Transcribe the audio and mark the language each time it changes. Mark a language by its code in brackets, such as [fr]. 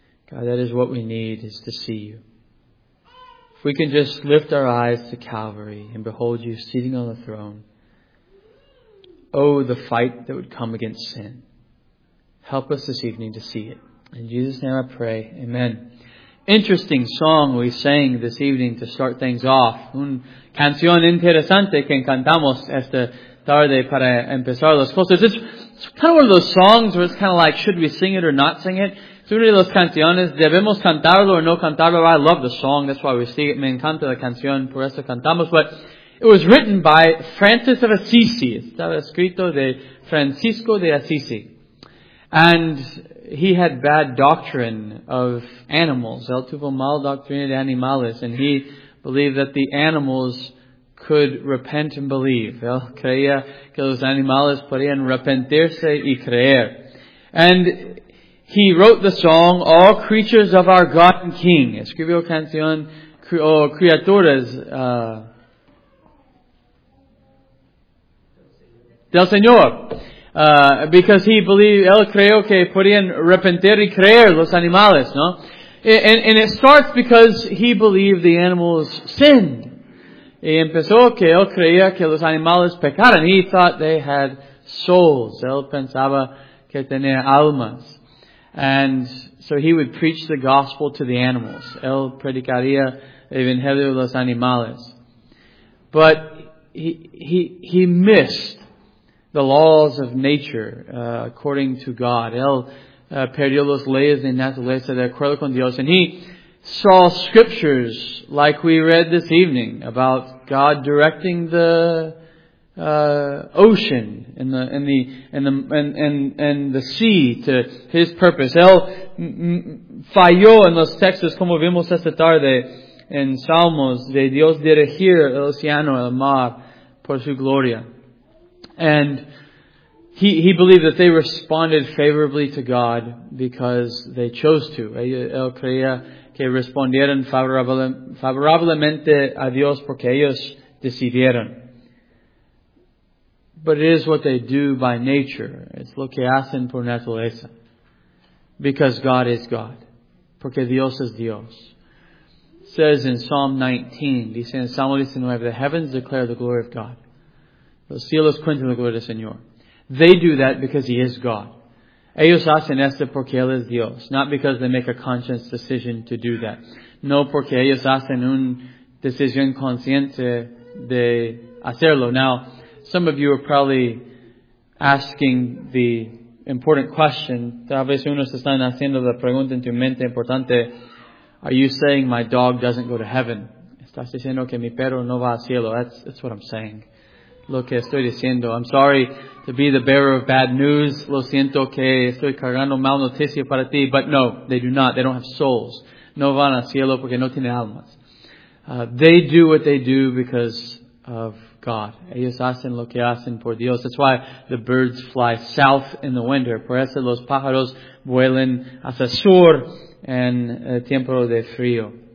[en] God, that is what we need, is to see you. We can just lift our eyes to Calvary and behold you sitting on the throne. Oh, the fight that would come against sin. Help us this evening to see it. In Jesus' name I pray. Amen. Interesting song we sang this evening to start things off. [es] Un canción interesante que cantamos esta tarde para empezar las cosas. [en] It's kind of one of those songs where it's kind of like, should we sing it or not sing it? [es] Es una de las canciones, debemos cantarlo o no cantarlo. [en] I love the song, that's why we sing it. [es] Me encanta la canción, por eso cantamos. [en] But it was written by Francis of Assisi. [es] Estaba escrito de Francisco de Assisi. [en] And he had bad doctrine of animals. [es] Él tuvo mal doctrina de animales. [en] And he believed that the animals could repent and believe. [es] Él creía que los animales podían arrepentirse y creer. [en] And he wrote the song, All Creatures of Our God and King. [es] Escribió canción, criaturas del Señor. [en] Because he believed, [es] él creyó que podían arrepentir y creer los animales, no? [en] And it starts because he believed the animals sinned. [es] Y empezó que él creía que los animales pecaron. [en] He thought they had souls. [es] Él pensaba que tenía almas. [en] And so he would preach the gospel to the animals. [es] Él predicaría el evangelio de los animales. [en] But he missed the laws of nature according to God. [es] Él perdió las leyes de naturaleza de acuerdo con Dios. [en] And he saw scriptures like we read this evening about God directing the ocean and the sea to his purpose. [es] Él falló en los textos como vimos esta tarde en Salmos de Dios dirigir el océano, el mar por su gloria. [en] And he believed that they responded favorably to God because they chose to. [es] Él creía que respondieron favorablemente a Dios porque ellos decidieron. [en] But it is what they do by nature. It's [es] lo que hacen por naturaleza. [en] Because God is God. [es] Porque Dios es Dios. [en] It says in Psalm 19, [es] dice en Salmo 19, [en] the heavens declare the glory of God. [es] Los cielos cuentan la gloria del Señor. [en] They do that because He is God. [es] Ellos hacen esto porque Él es Dios. [en] Not because they make a conscious decision to do that. [es] No porque ellos hacen una decisión consciente de hacerlo. [en] Now, some of you are probably asking the important question. [es] Tal vez unos están haciendo la pregunta en tu mente importante. [en] Are you saying my dog doesn't go to heaven? [es] Estás diciendo que mi perro no va al cielo. [en] That's what I'm saying. [es] Lo que estoy diciendo. [en] I'm sorry to be the bearer of bad news. [es] Lo siento que estoy cargando mal noticia para ti. [en] But no, they do not. They don't have souls. [es] No van al cielo porque no tienen almas. [en] They do what they do because of God. [es] Ellos hacen lo que hacen por Dios. [en] That's why the birds fly south in the winter. [es] Por eso los pájaros vuelan hacia sur en el tiempo de frío.